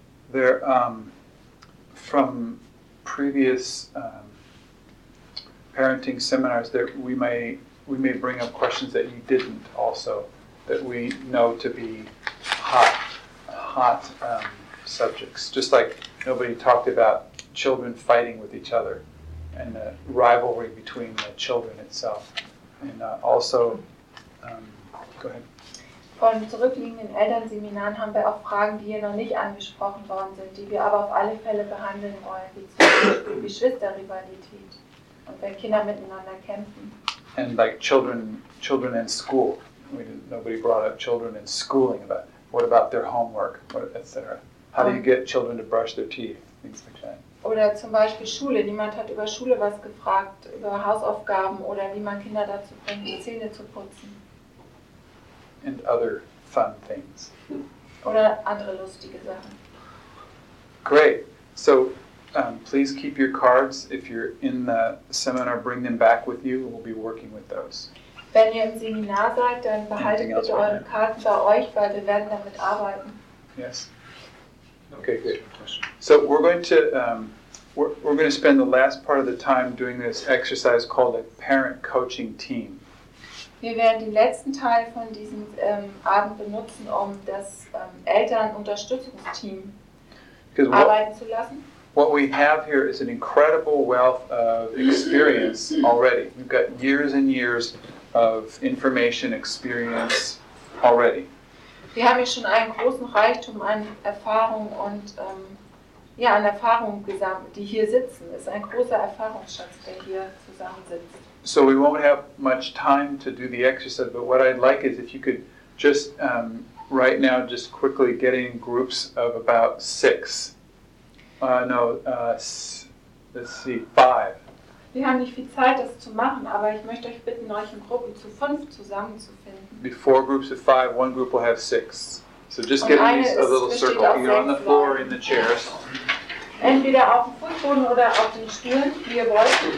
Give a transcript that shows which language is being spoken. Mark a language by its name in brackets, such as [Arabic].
[English] There, from previous parenting seminars that we may bring up questions that you didn't also, that we know to be hot subjects. Just like nobody talked about children fighting with each other and the rivalry between the children itself. And also, go ahead. [German] Von zurückliegenden Elternseminaren haben wir auch Fragen, die hier noch nicht angesprochen worden sind, die wir aber auf alle Fälle behandeln wollen, wie zum Beispiel Geschwisterrivalität und wenn Kinder miteinander kämpfen. [English] And like children in school. Nobody brought up children in schooling, but what about their homework, etc. How do you get children to brush their teeth, things like that. [German] Oder zum Beispiel Schule. Niemand hat über Schule was gefragt, über Hausaufgaben oder wie man Kinder dazu bringt, die Zähne zu putzen. [English] And other fun things. [German] Oder andere lustige Sachen. [English] Great. So please keep your cards. If you're in the seminar, bring them back with you. We'll be working with those. [German] Wenn ihr im Seminar seid, dann behaltet bitte eure right Karten bei euch, weil wir werden damit arbeiten. [English] Yes. Okay, good. So we're going to spend the last part of the time doing this exercise called a parent coaching team. [German] Wir werden den letzten Teil von diesem Abend benutzen, um das Elternunterstützungsteam arbeiten zu lassen. [English] What we have here is an incredible wealth of experience already. We've got years and years of information experience already. [German] Wir haben hier schon einen großen Reichtum an Erfahrung und ja, an Erfahrung gesammelt, die hier sitzen. Es ist ein großer Erfahrungsschatz, der hier zusammensitzt. [English] So we won't have much time to do the exercise, but what I'd like is if you could just right now just quickly get in groups of about six. Five. [German] Wir haben nicht viel Zeit, das zu machen, aber ich möchte euch bitten, euch in Gruppen zu fünf zusammenzufinden. [English] Be four groups of five, one group will have six. So just get in a little circle, either on the floor or in the chairs. [German] Entweder auf dem Fußboden oder auf den Stühlen, wie ihr wollt.